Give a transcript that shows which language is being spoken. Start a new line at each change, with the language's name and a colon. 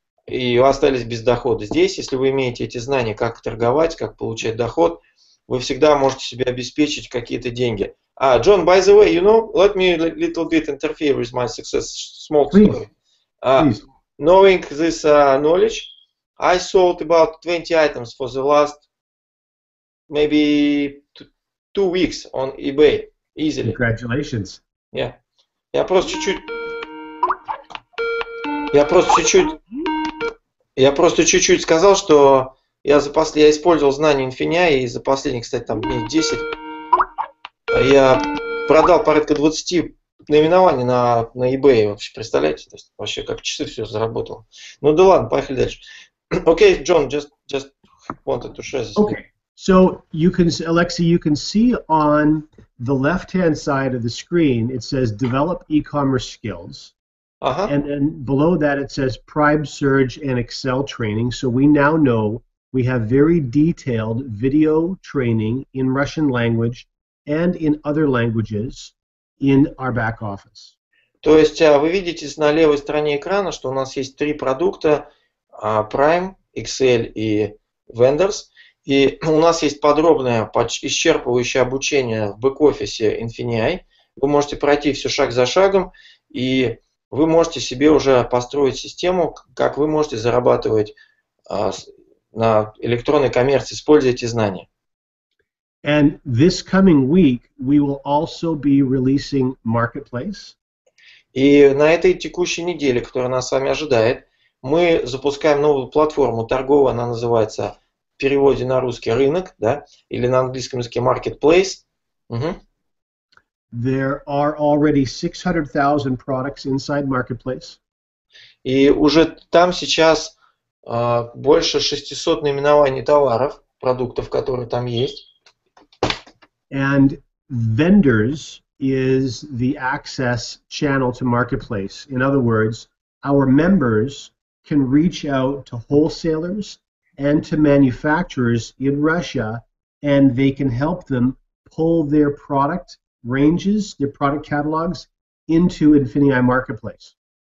Russian: И вы остались без дохода. Здесь, если вы имеете эти знания, как торговать, как получать доход, вы всегда можете себе обеспечить какие-то деньги.
English: Джон, by the way, you know, let me a little bit interfere with my success small story. Please. Knowing this knowledge, I sold about 20 items for the last maybe 2 weeks on eBay, easily. Congratulations. Yeah.
Russian: Я просто чуть-чуть сказал, что Я использовал знания Infinity, и за последние, кстати, там дней 10 я продал порядка 20 наименований на eBay. Вообще, представляете? То есть, вообще как часы все заработало. Ну да ладно, поехали дальше.
English: Okay, John, just wanted to share this. Okay. So you can, Alexei, you can see on the left-hand side of the screen, it says develop e-commerce skills. Uh-huh. And then below that it says Prime Surge and Excel training. So we now know we have very detailed video training in Russian language and in other languages in our back office.
Russian: То есть вы видите на левой стороне экрана, что у нас есть три продукта: Prime, Excel и Vendors. И у нас есть подробное, исчерпывающее обучение в бэк-офисе Infinity. Вы можете пройти все шаг за шагом, и вы можете себе уже построить систему, как вы можете зарабатывать на электронной коммерции, используя эти знания.
English: And this coming week we will also be releasing Marketplace.
Russian: И на этой текущей неделе, которая нас с вами ожидает, мы запускаем новую платформу торговую, она называется в переводе на русский рынок, да, или на английском языке marketplace.
English: There are already 600,000 products inside marketplace.
Russian: И уже там сейчас больше 600 наименований товаров, продуктов, которые там есть.
English: And vendors is the access channel to marketplace. In other words, our members can reach out to wholesalers and to manufacturers in Russia, and they can help them pull their product ranges, their product catalogs into Infinity Marketplace.